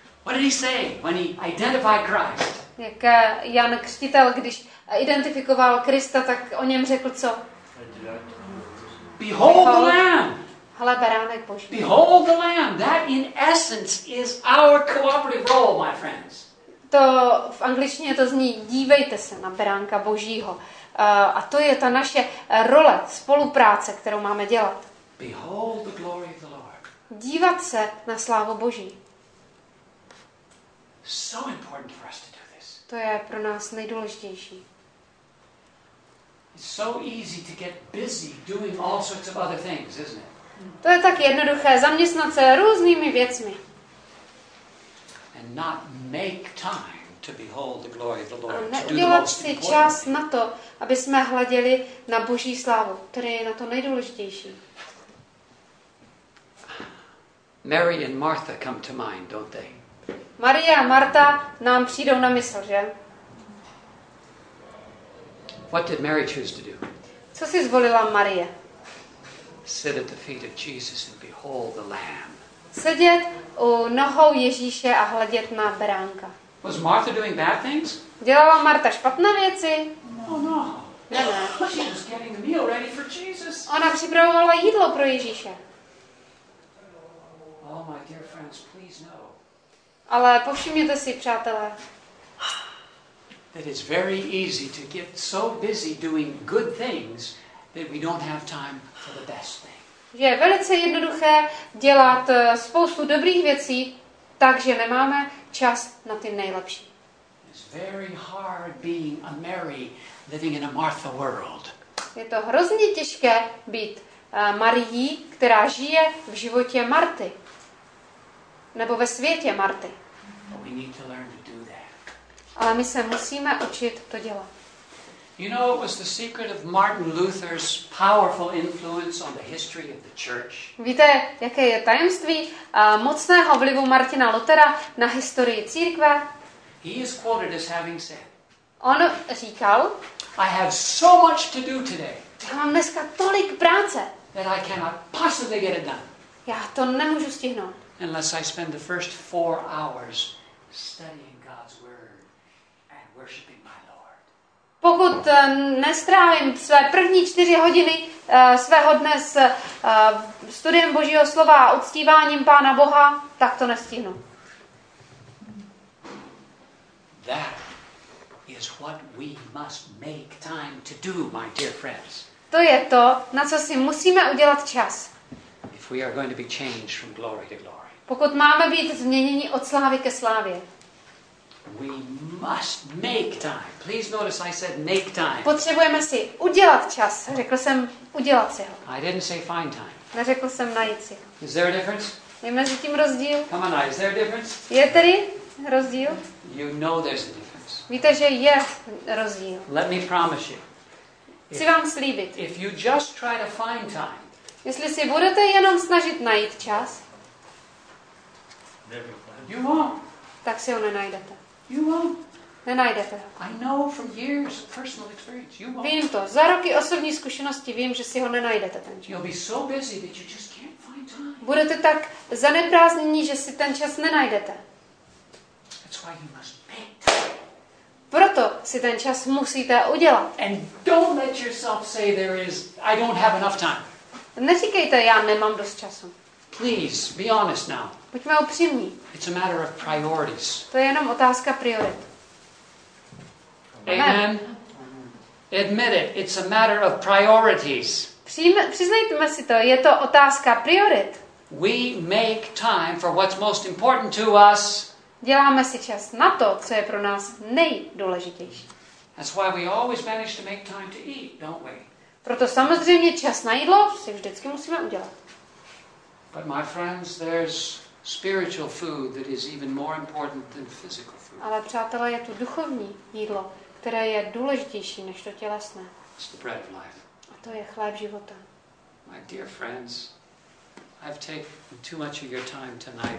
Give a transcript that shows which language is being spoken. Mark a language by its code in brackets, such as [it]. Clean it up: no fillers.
[en] What did he say when he identified Christ? [cs] Jak Jan Křtitel, když identifikoval Krista, tak o něm řekl co? [en] Behold the Lamb. [cs] Hle, beránek Boží. [en] Behold the Lamb. That in essence is our cooperative role, my friends. [cs] To v angličtině to zní dívejte se na beránka Božího. A to je ta naše role spolupráce, kterou máme dělat. [en] Behold the glory of the Lord. [cs] Dívat se na slávu Boží. [en] So important for us to do this. [cs] To je pro nás nejdůležitější. [en] It's so easy to get busy doing all sorts of other things, isn't it? [cs] To je tak jednoduché zaměstnat se různými věcmi. [en] Not make time to behold the glory of the Lord. [cs] Neudělat si čas na to, aby jsme hleděli na Boží slávu, které je na to nejdůležitější. [en] Mary and Martha come to mind, don't they? [cs] Marie a Marta nám přijdou na mysl, že? [en] What did Mary choose to do? [cs] Co si zvolila Marie? [en] Sit at the feet of Jesus and behold the Lamb. [cs] Sedět u nohou Ježíše a hledět na beránka. [en] Was Martha doing bad things? [cs] Dělala Marta špatné věci? [en] No. Oh, no. She was getting the meal ready for Jesus. [cs] Ona připravovala jídlo pro Ježíše. [en] Oh, my dear friends, please know. [cs] Ale povšimněte si, přátelé. [en] That it's very easy to get so busy doing good things that we don't have time for the best things. [cs] Že je velice jednoduché dělat spoustu dobrých věcí, takže nemáme čas na ty nejlepší. [en] It's very hard being a Mary living in a Martha world. [cs] Je to hrozně těžké být Marií, která žije v životě Marty. Nebo ve světě Marty. [en] But we need to learn to do that. [cs] Ale my se musíme učit to dělat. [en] You know, it was the secret of Martin Luther's powerful influence on the history of the church. [cs] Víte, jaké je tajemství mocného vlivu Martina Lutera na historii církve? [en] He is quoted as having said. [cs] On říkal: [en] I have so much to do today. [cs] Já mám dneska tolik práce. [en] That I cannot possibly get it done. [cs] Já to nemůžu stihnout. [en] Unless I spend the first 4 hours studying God's word and worshiping. [cs] Pokud nestrávím své první 4 hodiny svého dne s studiem Božího slova a uctíváním Pána Boha, tak to nestihnu. [en] That is what we must make time to do, my dear friends. [cs] To je to, na co si musíme udělat čas. [en] If we are going to be changed from glory to glory. [cs] Pokud máme být změněni od slávy ke slávě. [en] We must make time. Please notice I said make time. [cs] Potřebujeme si udělat čas. Řekl jsem udělat si ho. [en] I didn't say find time. [cs] Neřekl jsem najít si. [en] Is there a difference? [cs] Je mezi tím rozdíl? [en] Come on, is there a difference? [cs] Je tedy rozdíl? [en] You know there's a difference. [cs] Víte, že je rozdíl. [en] Let me promise you. [cs] Chci vám slíbit. [en] If you just try to find time. [cs] Jestli si budete jenom snažit najít čas. [en] You won't. [cs] Tak si ho nenajdete. [en] You won't. [cs] Nenajdete. [en] I know from years of personal experience. You won't. [cs] Vím to. Za roky osobní zkušenosti vím, že si ho nenajdete ten čas. [en] You'll be so busy that you just can't find time. [cs] Budete tak zaneprázdnění, že si ten čas nenajdete. [en] That's why you must make time. [cs] Proto si ten čas musíte udělat. [en] And don't let yourself say there is I don't have enough time. [cs] Neříkejte, já nemám dost času. [en] Please be honest now. [cs] Buďme upřímní. [en] It's a matter of priorities. [cs] To je jenom otázka priorit. [en] Amen. Admit it. It's a matter of priorities. [cs] Přiznejme si to. Je to otázka priorit. [en] We make time for what's most important to us. [cs] Děláme si čas na to, co je pro nás nejdůležitější. [en] That's why we always manage to make time to eat, don't we? [cs] Proto samozřejmě čas na jídlo si vždycky musíme udělat. [en] But my friends, there's spiritual food that is even more important than physical food. [cs] Ale přátelé, je tu duchovní jídlo, které je důležitější než to tělesné. [en] It's the bread of life. [cs] A to je chléb života. [en] My dear friends, I've taken too much of your time tonight.